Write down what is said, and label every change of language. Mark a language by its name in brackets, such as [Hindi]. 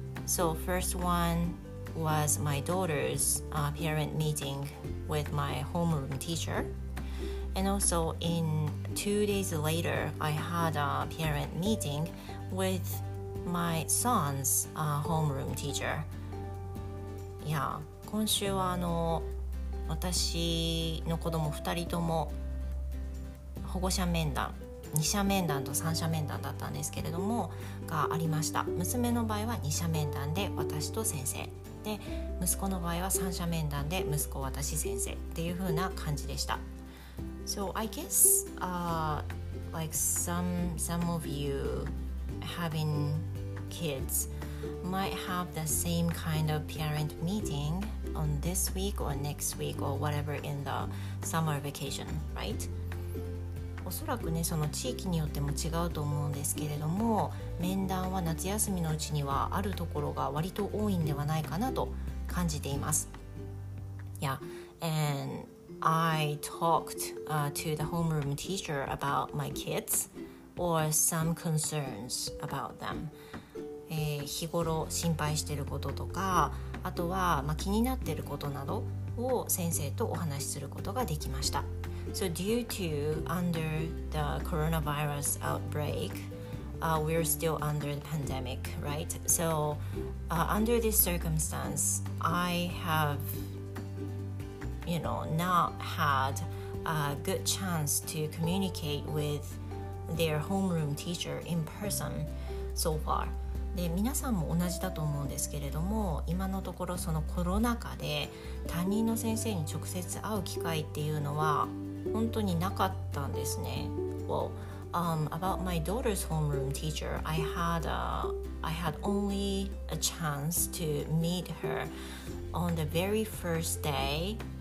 [English] So, first one was my daughter's parent meeting with my homeroom teacher. And also, in 2 days later, I had a parent meeting with my son's homeroom teacher. [Japanese] Yeah, 今週は私の子供2人とも保護者面談、2社面談と3社面談だったんですけれども、がありました。娘の場合は2社面談で私と先生。で、息子の場合は3社面談で息子、私、先生っていう風な感じでした。 [English] So I guess like some of you having kids might have the same kind of parent meeting on this week or next week or whatever in the summer vacation, right? [Japanese] おそらくね、その地域によっても違うと思うんですけれども、面談は夏休みのうちにはあるところが割と多いんではないかなと感じています。 [English] Yeah, and... I talked to the homeroom teacher about my kids or some concerns about them. [Japanese] 日頃心配していることとか、あとは、気になっていることなどを先生とお話しすることができました。 [English] So due to under the coronavirus outbreak, we're still under the pandemic, right? So under this circumstance, I haveYou know, not had a good chance to communicate with their homeroom teacher in person so far. [Japanese] で、皆さんも同じだと思うんですけれども、今のところそのコロナ禍で担任の先生に直接会う機会っていうのは本当になかったんですね。 [English] Well, about my daughter's homeroom teacher, I had only a chance to meet her on the very first day.